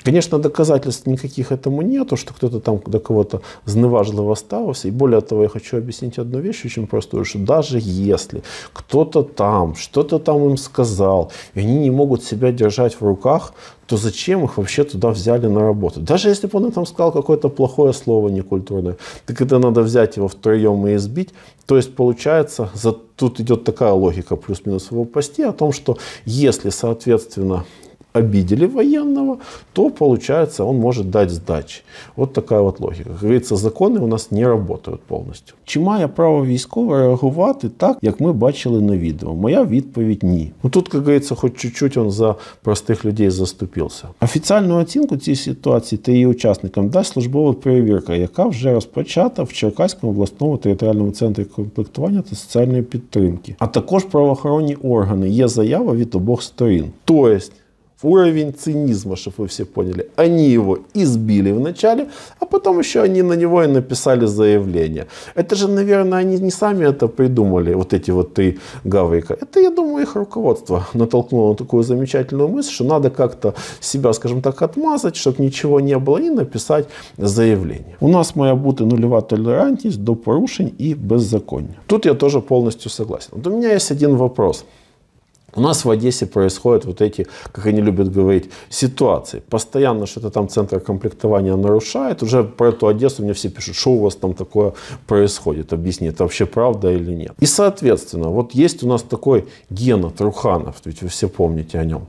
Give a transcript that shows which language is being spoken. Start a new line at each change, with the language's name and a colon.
Ukrainian: Звісно, доказательств ніяких цьому нету, що хтось там до кого-то зневажливо ставився. І більше того, я хочу об'яснити одну річ, дуже просто, що навіть якщо хтось там, щось там їм сказав, і вони не можуть себе тримати в руках, то
Russian: зачем их вообще туда взяли на работу? Даже если бы он там сказал какое-то плохое слово некультурное, так это надо взять его втроем и избить. То есть получается, тут идет такая логика плюс-минус в его посте о том, что если, соответственно, обидели военного, то получается, он может дать сдачи. Вот такая вот логика. Как говорится, законы у нас не работают полностью.
Ukrainian: Чи має право військово реагувати так, як ми бачили на відео? Моя відповідь – ні. Ну, тут, як говориться, хоч чуть-чуть він за простих людей заступився. Офіційну оцінку цієї ситуації та її учасникам дасть службова перевірка, яка вже розпочата в Черкаському обласному територіальному центрі комплектування та соціальної підтримки. А також правоохоронні органи. Є заява від обох сторін.
Russian: Тобто, уровень цинизма, чтобы вы все поняли. Они его избили вначале, а потом еще они на него и написали заявление. Это же, наверное, они не сами это придумали, вот эти вот три гаврика. Это, я думаю, их руководство натолкнуло на такую замечательную мысль, что надо как-то себя, скажем так, отмазать, чтобы ничего не было, и написать заявление.
Ukrainian: У нас моя бути нулева толерантність до порушень и беззаконня.
Russian: Тут я тоже полностью согласен. Вот у меня есть один вопрос. У нас в Одессе происходят вот эти, как они любят говорить, ситуации. Постоянно что-то там центр комплектования нарушает. Уже про эту Одессу мне все пишут, что у вас там такое происходит. Объясни, это вообще правда или нет. И, соответственно, вот есть у нас такой Гена Труханов, ведь вы все помните о нем.